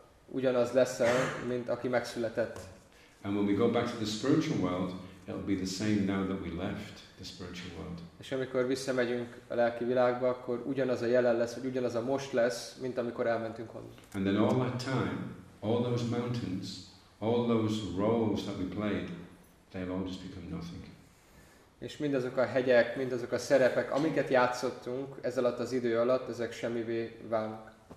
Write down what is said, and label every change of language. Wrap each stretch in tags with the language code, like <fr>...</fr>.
<hu>Ugyanaz lesz, mint aki megszületett.</hu> <en>And when we go back to the spiritual world, it'll be the same now that we left the spiritual world.</en> <hu>És amikor visszamegyünk a lelki világba, akkor ugyanaz a jelen lesz, vagy ugyanaz a most lesz, mint amikor elmentünk onnan.</hu> <en>And then all that time, all those mountains, all those roles that we played, they've all just become nothing.</en> <hu>És mindazok a hegyek, mindazok a szerepek, amiket játszottunk ez alatt az idő alatt, ezek semmivé válnak.</hu>